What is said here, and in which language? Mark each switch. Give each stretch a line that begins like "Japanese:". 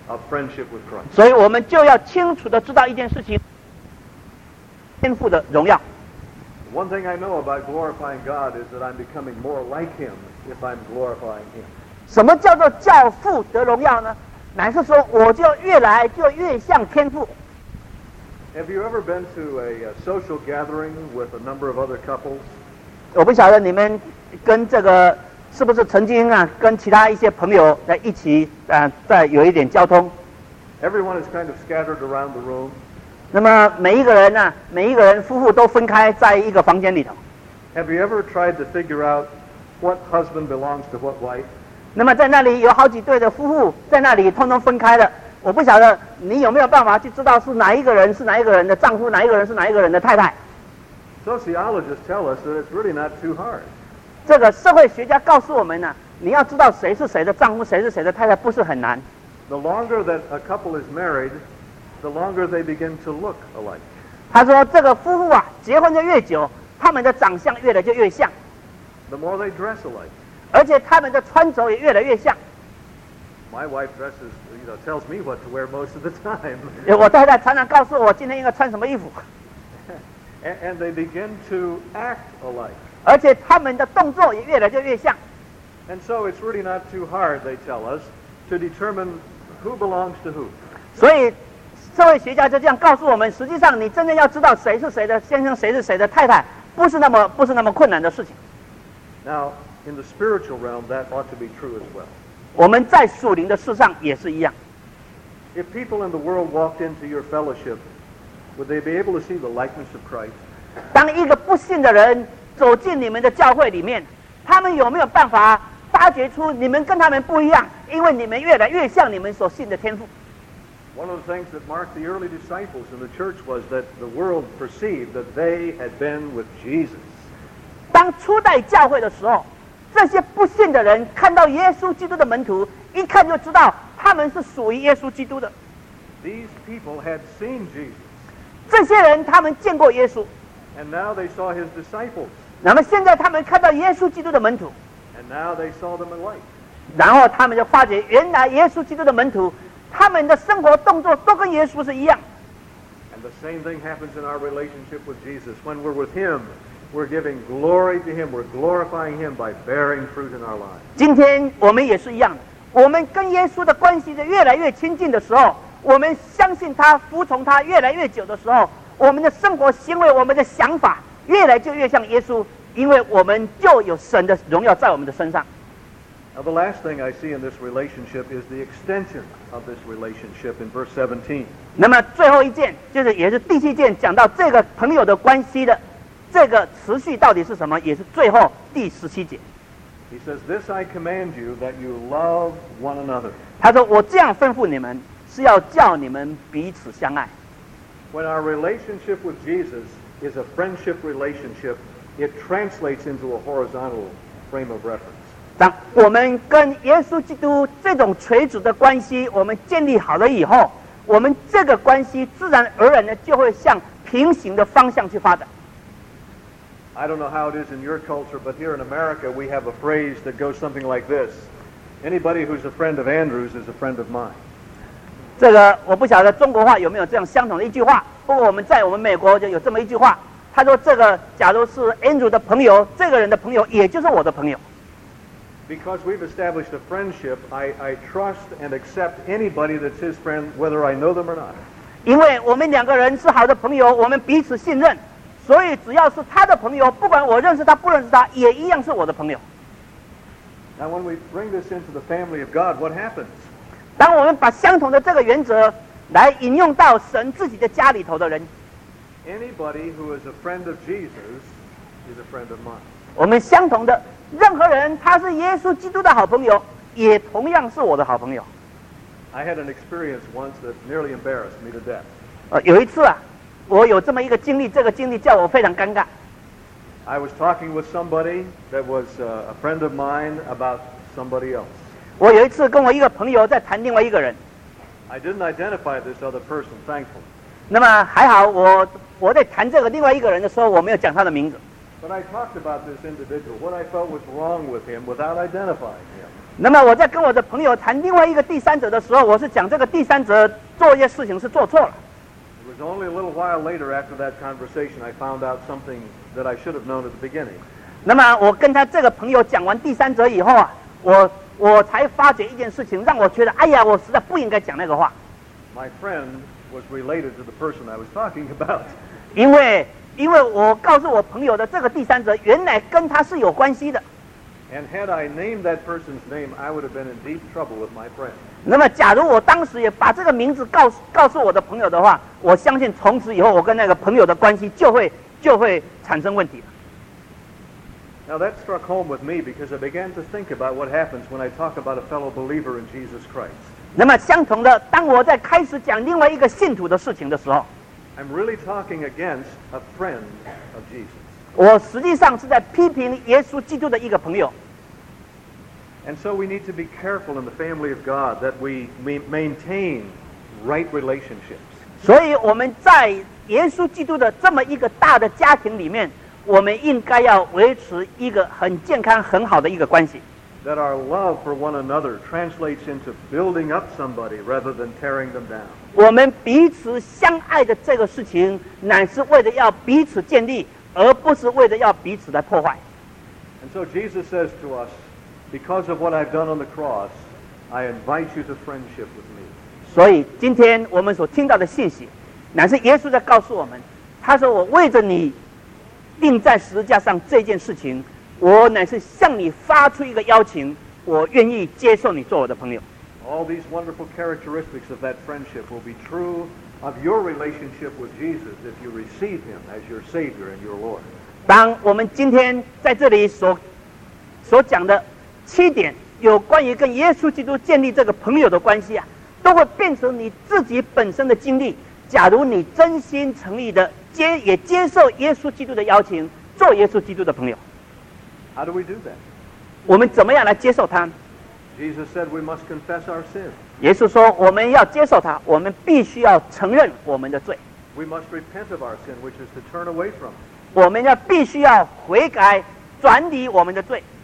English: Friendship with Christ.
Chinese: 所以我们就要清楚地知道一件事情，天父的荣耀。
English: One thing I know about glorifying God is that I'm becoming more like Him if I'm glorifying Him.
Chinese: 什么叫做叫父得荣耀呢？乃是说我就越来就越像天父。
English: Have you ever been to a social gathering with a number of other couples?
Chinese: 我不晓得你们跟这个是不是曾经啊跟其他一些朋友在一起啊在有一点交通。
English: Everyone is kind of scattered around the room.
Chinese: 那么每一个人啊每一个人夫妇都分开在一个房间里头。
English: Have you ever tried to figure out what husband belongs to what wife?
Chinese: 那么在那里有好几对的夫妇在那里通通分开了，我不晓得你有没有办法去知道是哪一个人是哪一个人的丈夫，哪一个人是哪一个人的太太。
English: Sociologists tell us that it's really not too hard.
Chinese: 这个社会学家告诉我们呢、啊，你要知道谁是谁的丈夫，谁是谁的太太，不是很难。
English: The longer that a couple is married, the longer they begin to look alike.
Chinese: 他说这个夫妇啊，结婚的越久，他们的长相越来就越像。
English: The more they dress alike.
Chinese: 而且他们的穿着也越来越像。
English: My wife dresses, you know, tells me what to wear most of the time.
Chinese: 我太太常常告诉我今天应该穿什么衣服。
English: And they begin to act alike.
Chinese: 而且他们的动作也越来越像。
English: And so it's really not too hard, they tell us, to determine who belongs to who.
Chinese: 所以社会学家就这样告诉我们，实际上你真正要知道谁是谁的先生，谁是谁的太太，不是那么困难的事情。
English: Now, in the spiritual realm, that ought to be true as well.
Chinese: 我们在属灵的事上也是一样。
English: If people in the world walked into your fellowship, would they be able to see the likeness of Christ?
Chinese: 当一个不信的人走进你们的教会里面，他们有没有办法发掘出你们跟他们不一样？因为你们越来越像你们所信的天父。
English: One of the things that marked the early disciples in the church was that the world perceived that they had been with Jesus.
Chinese: 当初代教会的时候，这些不信的人看到耶稣基督的门徒，一看就知道他们是属于耶稣基督的。
English: These people had seen Jesus.
Chinese: 这些人他们见过耶稣。
English: And now they saw his disciples.
Chinese: 那么现在他们看到耶稣基督的门徒。
English: And now they saw them alike.
Chinese: 然后他们就发觉，原来耶稣基督的门徒，他们的生活动作都跟耶稣是一样。
English: And the same thing happens in our relationship with Jesus. When we're with him, we're giving glory to him. We're glorifying him by bearing fruit in our lives.
Chinese: 今天我们也是一样的，我们跟耶稣的关系越来越亲近的时候，我们相信他，服从他越来越久的时候，我们的生活行为我们的想法越来就越像耶稣，因为我们就有神的荣耀在我们的身上。
English: Now the last thing I see in this relationship is the extension of this relationship in verse 17.
Chinese: 那么最后一件就是也是第七件讲到这个朋友的关系的这个持续到底是什么，也是最后第十七节。
English: He says, "This I command you, that you love one another."
Chinese: 他说，我这样吩咐你们，是要叫你们彼此相爱。
English: When our relationship with Jesus is a friendship relationship, it translates into a horizontal frame of reference.
Chinese: 当我们跟耶稣基督这种垂直的关系，我们建立好了以后，我们这个关系自然而然的就会向平行的方向去发展。
English: I don't know how it is in your culture, but here in America, we have a phrase that goes something like this. Anybody who's a friend of Andrew's is a friend of mine.
Chinese: 这个我不晓得中国话有没有这样相同的一句话，不过我们在我们美国就有这么一句话，他说这个假如是 Andrew 的朋友，这个人的朋友也就是我的朋友。
English: Because we've established a friendship, I trust and accept anybody that's his friend, whether I know them or not.
Chinese: 因为我们两个人是好的朋友，我们彼此信任，所以只要是他的朋友，不管我认识他不认识他，也一样是我的朋友。
English: Now when we bring this into the family of God, what happens?
Chinese: 当我们把相同的这个原则来引用到神自己的家里头的人，
English: Anybody who is a friend of Jesus is a friend of mine.
Chinese: 我们相同的任何人，他是耶稣基督的好朋友，也同样是我的好朋友。
English: I had an experience once that nearly embarrassed me to death.
Chinese: 有一次啊，我有这么一个经历，这个经历叫我非常尴尬。
English: I was talking with somebody that was a friend of mine about somebody else.
Chinese: 我有一次跟我一个朋友在谈另外一个人。
English: I didn't identify this other person, thankfully.
Chinese: 那么还好我在谈这个另外一个人的时候，我没有讲他的名字。
English: But I talked about this individual, what I felt was wrong with him without identifying him.
Chinese: 那么我在跟我的朋友谈另外一个第三者的时候，我是讲这个第三者做一些事情是做错了。
English: It was only a little while later after that conversation I found out something that I should have known at the beginning.
Chinese: 那么我跟他这个朋友讲完第三者以后啊，我才发觉一件事情，让我觉得哎呀，我实在不应该讲那个话。
English: My friend was related to the person I was talking about.
Chinese: 因为我告诉我朋友的这个第三者原来跟他是有关系的。
English: And had I named that person's name, I would have been in deep trouble with my friend.
Chinese: 那么假如我当时也把这个名字告诉我的朋友的话，我相信从此以后我跟那个朋友的关系就会产生问题了。
English: Now that struck home with me because I began to think about what happens when I talk about a fellow believer in Jesus Christ.
Chinese: 那么相同的，当我在开始讲另外一个信徒的事情的时候，
English: I'm really talking against a friend of Jesus.
Chinese: 我实际上是在批评耶稣基督的一个朋友。
English: And so we need to be careful in the family of God that we maintain right relationships.
Chinese: 所以我们在耶稣基督的这么一个大的家庭里面，我们应该要维持一个很健康、很好的一个关系。
English: That our love for one another translates into building up somebody rather than tearing them down.
Chinese: 我们彼此相爱的这个事情，乃是为了要彼此建立。而不是为了要彼此来破坏。
English: And so Jesus says to us, because of what I've done on the cross, I invite you to friendship with me.
Chinese: 所以今天我们所听到的信息，乃是耶稣在告诉我们，他说我为着你钉在十字架上这件事情，我乃是向你发出一个邀请，我愿意接受你做我的朋友。
English: All these wonderful characteristics of that friendship will be true. Of your relationship with Jesus, if you receive Him as your Savior and your Lord.
Chinese: 当我们今天在这里所讲的七点，有关于跟耶稣基督建立这个朋友的关系啊，都会变成你自己本身的经历。假如你真心诚意的接受耶稣基督的邀请，做耶稣基督的朋友。
English: How do we do that?
Chinese: 我们怎么样来接受他？
English: Jesus said we must confess our sin.
Chinese: 耶稣说我们要接受他，我们必须要承认我们的罪。
English: We must repent of our sin, which is to turn away from it.
Chinese: 我们要必须要悔改，转离我们的罪。